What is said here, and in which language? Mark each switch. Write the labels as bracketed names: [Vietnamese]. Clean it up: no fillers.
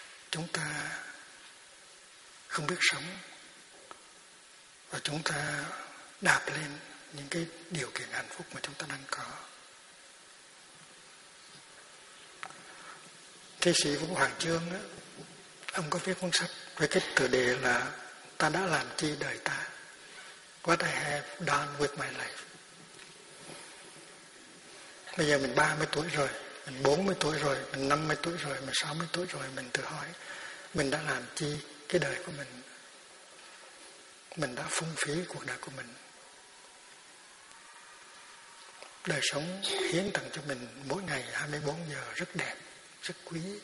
[Vietnamese] Chúng ta không biết sống. Và chúng ta đạp lên những cái điều kiện hạnh phúc mà chúng ta đang có. Thi sĩ Vũ Hoàng Chương, ông có viết cuốn sách với cái tựa đề là Ta đã làm chi đời ta? [English] What I have done with my life? [Vietnamese] Bây giờ mình 30 tuổi rồi, mình 40 tuổi rồi, mình 50 tuổi rồi, mình 60 tuổi rồi, mình tự hỏi mình đã làm chi cái đời của mình? Mình đã phung phí cuộc đời của mình. Đời sống hiến tặng cho mình mỗi ngày 24 giờ rất đẹp, rất quý.